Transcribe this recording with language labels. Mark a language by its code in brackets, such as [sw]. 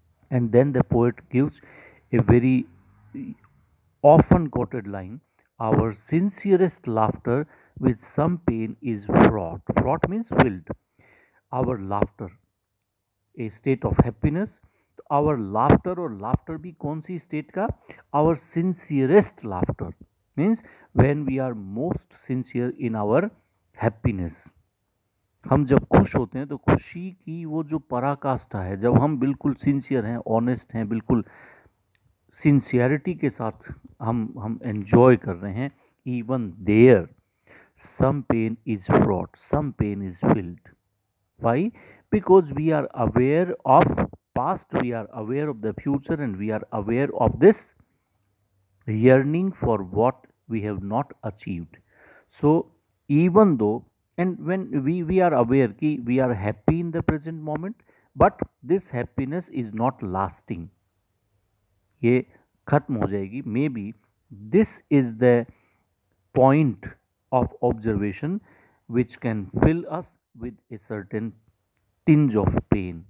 [en] And then the poet gives a very often quoted line, our sincerest laughter with some pain is fraught. Fraught means filled. Our laughter, a state of happiness. Our laughter or laughter [hi] bhi kaun si state ka? [en] Our sincerest laughter means when we are most sincere in our happiness. [hi] हम जब खुश होते हैं तो खुशी की वो जो पराकाष्ठा है, जब हम बिल्कुल सिंसियर हैं, ऑनेस्ट हैं, बिल्कुल सिंसियरिटी के साथ हम एन्जॉय कर रहे हैं, [en] Even there some pain is fraught, some pain is filled. Why? Because we are aware of past, we are aware of the future, and we are aware of this yearning for what we have not achieved. So even though, and when we are aware ki we are happy in the present moment, but this happiness is not lasting, [hi] ye khatam ho jayegi. [en] Maybe this is the point of observation which can fill us with a certain tinge of pain.